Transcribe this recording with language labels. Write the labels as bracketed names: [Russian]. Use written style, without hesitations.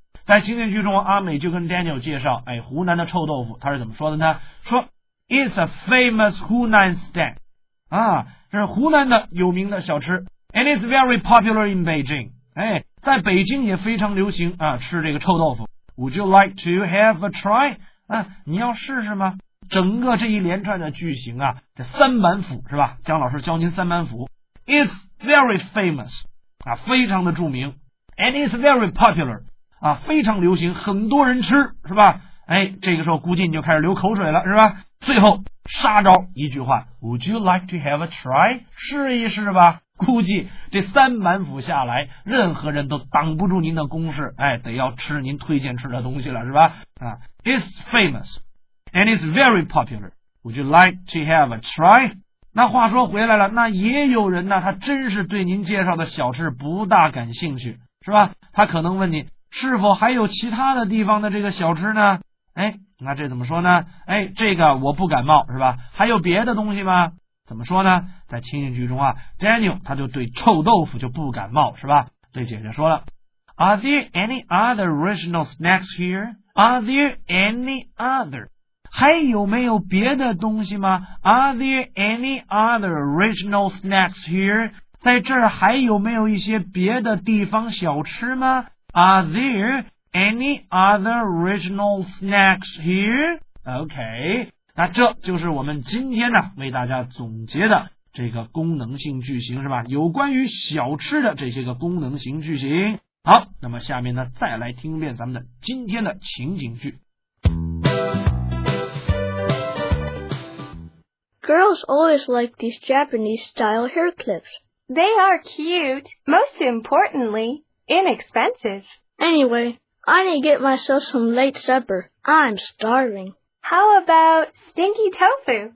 [Chinese] 在情景剧中，阿美就跟 Daniel 介绍，哎，湖南的臭豆腐，他是怎么说的呢？说 [English] It's a famous Hunan snack， [Chinese] 啊，这是湖南的有名的小吃。 [English] And it's very popular in Beijing， [Chinese] 哎，在北京也非常流行啊，吃这个臭豆腐。 [English] Would you like to have a try？ [Chinese] 啊，你要试试吗？整个这一连串的句型啊，这三板斧是吧？姜老师教您三板斧。 [English] It's very famous， [Chinese] 啊，非常的著名。 [English] And it's very popular。 [Chinese] 啊，非常流行，很多人吃，是吧？哎，这个时候估计你就开始流口水了，是吧？最后杀招一句话 ， [English] Would you like to have a try？ [Chinese] 试一试吧。估计这三板斧下来，任何人都挡不住您的攻势，哎，得要吃您推荐吃的东西了，是吧？ [English] 啊 ，It's famous and it's very popular. Would you like to have a try？ [Chinese] 那话说回来了，那也有人呢，他真是对您介绍的小吃不大感兴趣，是吧？他可能问你，是否还有其他的地方的这个小吃呢？哎，那这怎么说呢？哎，这个我不感冒，是吧？还有别的东西吗？怎么说呢？在情景剧中啊 ，Daniel 他就对臭豆腐就不感冒，是吧？对姐姐说了 ， [English] Are there any other regional snacks here？ Are there any other？ [Chinese] 还有没有别的东西吗？ [English] Are there any other regional snacks here？ [Chinese] 在这儿还有没有一些别的地方小吃吗？ [English] Are there any other regional snacks here? [Chinese] OK， 那这就是我们今天呢为大家总结的这个功能性句型，是吧？有关于小吃的这些个功能性句型。好，那么下面呢再来听一遍咱们的今天的情景剧。 [English] Girls always like these Japanese style hair clips. They are cute. Most importantly,inexpensive. Anyway, I need to get myself some late supper. I'm starving. How about stinky tofu?